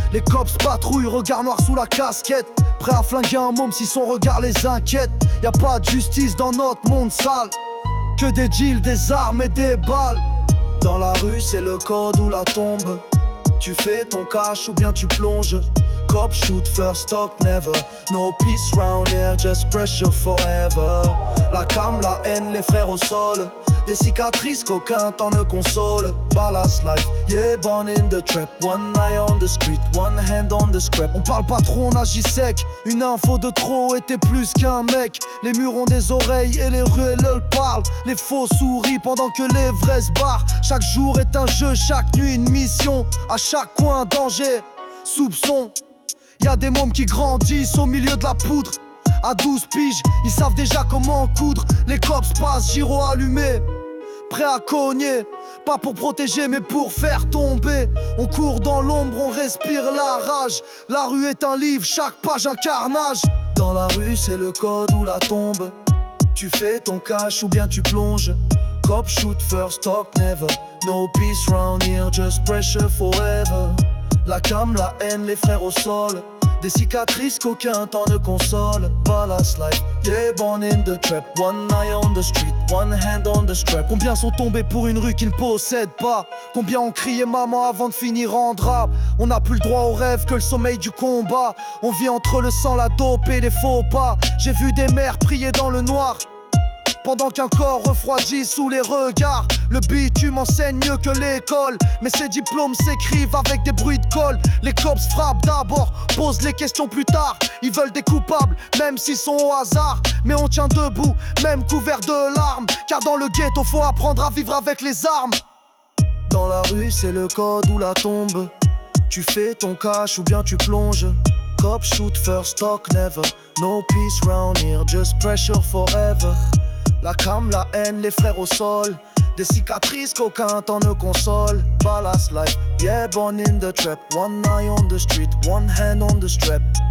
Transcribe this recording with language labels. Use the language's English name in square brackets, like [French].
[French] Les cops patrouillent, regard noir sous la casquette. Prêt à flinguer un môme si son regard les inquiète. Y'a pas de justice dans notre monde sale. Que des deals, des armes et des balles. Dans la rue c'est le code ou la tombe. Tu fais ton cash ou bien tu plonges. [English] Cop shoot first, talk never. No peace round here, just pressure forever. [French] La cam, la haine, les frères au sol. Des cicatrices qu'aucun temps ne console. [English] Ballast life, yeah, born in the trap. One eye on the street, one hand on the scrap. [French] On parle pas trop, on agit sec. Une info de trop était plus qu'un mec. Les murs ont des oreilles et les ruelles parlent. Les faux sourient pendant que les vrais se barrent. Chaque jour est un jeu, chaque nuit une mission. À chaque coin, danger, soupçon. Y'a des mômes qui grandissent au milieu de la poudre. À 12 piges, ils savent déjà comment coudre. Les cops passent, gyro allumé, prêt à cogner. Pas pour protéger mais pour faire tomber. On court dans l'ombre, on respire la rage. La rue est un livre, chaque page un carnage. Dans la rue c'est le code ou la tombe. Tu fais ton cash ou bien tu plonges. [English] Cop shoot first, talk never. No peace round here, just pressure forever. [French] La cam, la haine, les frères au sol. Des cicatrices qu'aucun temps ne console. [English] Ballast life, yeah, born in the trap. One eye on the street, one hand on the strap. [French] Combien sont tombés pour une rue qu'ils ne possèdent pas. Combien ont crié maman avant de finir en drap. On n'a plus le droit au rêve que le sommeil du combat. On vit entre le sang, la dope et les faux pas. J'ai vu des mères prier dans le noir pendant qu'un corps refroidit sous les regards. Le bitume enseigne mieux que l'école, mais ses diplômes s'écrivent avec des bruits de colle. Les cops frappent d'abord, posent les questions plus tard. Ils veulent des coupables, même s'ils sont au hasard. Mais on tient debout, même couvert de larmes. Car dans le ghetto faut apprendre à vivre avec les armes. Dans la rue c'est le code ou la tombe. Tu fais ton cash ou bien tu plonges. [English] Cop shoot first, talk never. No peace round here, just pressure forever. [French] La cam, la haine, les frères au sol. Des cicatrices qu'aucun temps ne console. [English] Ballast life, yeah, born in the trap. One eye on the street, one hand on the strap.